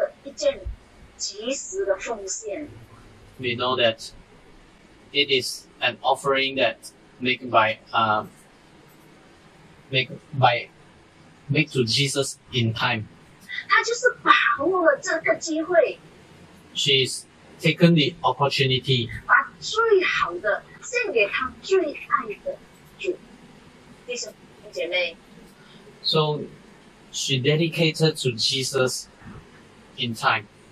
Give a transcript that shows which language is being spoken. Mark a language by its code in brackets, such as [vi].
[zh] 我们也想到玛利亚也是做了一件及时的奉献. [en] We know that it is an offering that made to Jesus in time. [zh] 她就是把握了这个机会. [en] She's taken the opportunity. [zh] 把最好的献给她最爱的主弟兄姐妹. [en] So she dedicated to Jesus in time.